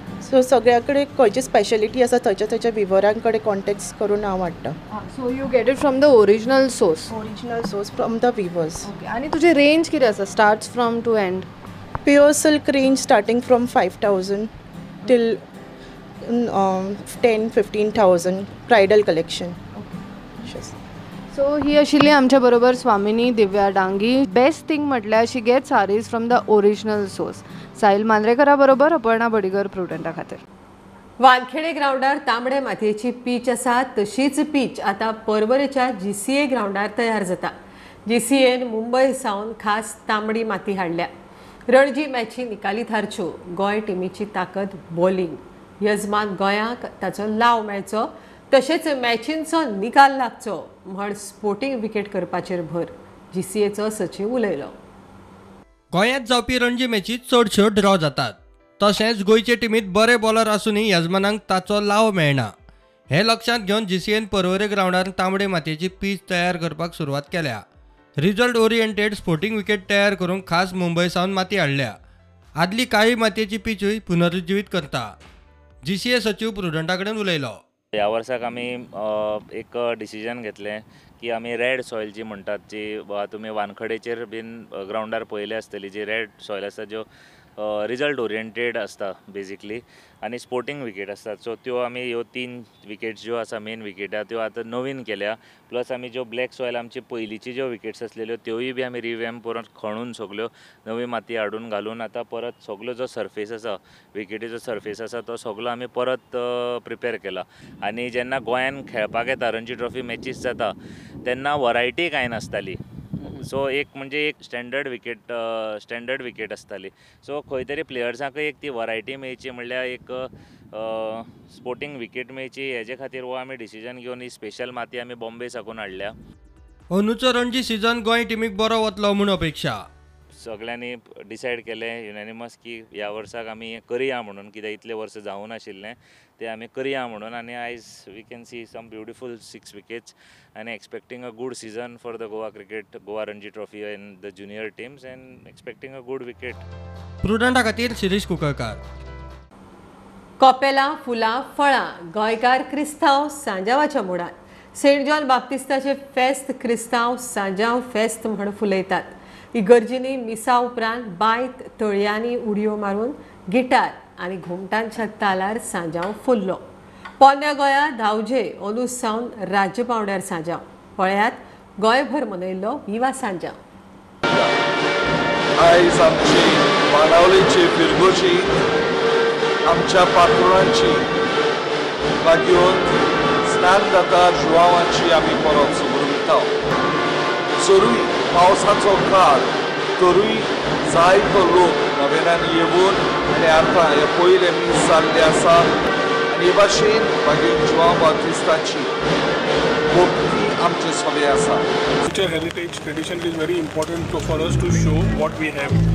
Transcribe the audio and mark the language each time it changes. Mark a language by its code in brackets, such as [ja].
[kok] सो सगळ्या कडेन खंयची स्पेशलिटी आसा थंयच्या थंयच्या विवरां कडेन कॉन्टेक्ट करून हांव हाडटा. [en] So you get it from the original source? Original source from the weavers. [kok] आनी तुजी रेंज कितें आसा [en] Start from to end? Pure silk range starting from 5,000 till 10-15,000 bridal collection. [kok] सो ही आशिल्ली आमच्या बरोबर स्वामिनी दिव्या डांगी. बेस्ट थिंग म्हटल्यार [en] She get saris from the original source. [kok] साहिल मांद्रेकरा बरोबर अपर्णा बडीगर प्रुडंटा खातीर. वानखेडे ग्राउंडार तांबडे मातयेची पीच आसा, तशीच पीच आतां परवरेच्या GCA ग्राउंडार तयार जाता. GCAन मुंबय सावन खास तांबडी माती हाडल्या. रणजी मॅची निकाली थारच्यो, गोंय टिमीची ताकद बॉलिंग, यजमान गोंयाक ताचो लाव मेळचो, तशेंच मॅचींचो निकाल लागचो म्हण स्पोर्टींग विकेट करपाचेर भर, जीसीएचो सचीव उलयलो. गोंयांत जावपी रणजी मॅची चडश्यो ड्रॉ जातात, तशेंच गोंयचे टिमींत बरे बॉलर आसूनय यजमानांक ताचो लाव मेळना. हे लक्षांत घेवन जीसीएन परवरे ग्राउंडार तांबडे मातयेची पीच तयार करपाक सुरवात केल्या. रिजल्ट ओरिएंटेड स्पोर्टींग विकेट तयार करूंक खास मुंबय सावन माती हाडल्या. आदली काळी मातयेची पीचूय पुनरुज्जीवीत करता. जीसीए सचीव प्रुडंटा कडेन उलयलो. ह्या वर्साक आमी एक डिसिजन घेतले की आमी रेड सॉयल जी म्हणटात जी तुमी वानखडेचेर बीन ग्राउंडार पळयली आसतली, जी रेड सॉयल आसता ज्यो रिजल्ट ओरिएंटेड आसता बेजिकली आनी स्पोर्टींग विकेट आसता, सो त्यो आमी ह्यो तीन विकेट्स ज्यो आसा मेन विकेटा त्यो आतां नवीन केल्या. प्लस आमी ज्यो ब्लॅक सॉयल आमची पयलींची ज्यो विकेट्स आसलेल्यो त्योय बी आमी रिवॅम परत खणून सगल्यो नवी माती हाडून घालून आतां परत सगलो जो सर्फेस आसा विकेटीचो सर्फेस आसा तो सगलो आमी परत प्रिपेर केला. आनी जेन्ना गोंयान खेळपाक येता रणजी ट्रॉफी मॅचीस जाता तेन्ना वरायटी कांय नासताली, सो एक म्हणजे एक स्टँडर्ड विकेट आसताली. सो खंय तरी प्लेयर्सांक एक ती वरायटी मेळची म्हणल्यार एक स्पोर्टींग विकेट मेळची हेजे खातीर हो आमी डिसिजन घेवन ही स्पेशल माती आमी बॉम्बे साकून हाडल्या. अंदूचो रणजी सिझन गोंय टिमीक बरो वतलो म्हूण अपेक्षा सगळ्यांनी डिसायड केलें युनॅनिमस की ह्या वर्साक आमी हें करया म्हणून, कित्याक इतले वर्स जावं नाशिल्लें तें आमी करया म्हणून. आनी आयज [en] We can see some beautiful 6 wickets आनी expecting a good season for the Goa cricket, Goa Ranji trophy and the junior teams and expecting a good wicket. [kok] प्रुडंटा खातीर शिरीश कुंकळकार. कॉपेलां फुलां फळां, गोंयकार क्रिस्तांव सांजावाच्या मुडान. सेंट जॉन बाप्तिस्ताचें फेस्त क्रिस्तांव सांजाव फेस्त म्हण फुलयतात. इगर्जीनी मिसा उपरांत बायत तळयांनी उडयो मारून गिटार आनी घुमटांच्या तालार सांजांव फुल्लो. पोरण्या गोंया धांवजे अंदू सावन राज्य पांवड्यार सांजांव. पळयात गोंयभर मनयल्लो विवा सांजांव. आयज आमची बाणावलीची फिरगोजी आमच्या पात्रांची घेवन स्नान जाता जुवांची आमी परत सुरू सोरू. पावसाचो काळ तरूय जायतो लोक नवेनान येवून आनी आतां हे पयले मीस जाल्ले आसा आनी हे भाशेन मागीर जुवां बाप्तिस्ताची भक्ती आमचे सगळे आसा. आमचे [en] Heritage tradition is very important to for us to show what we have.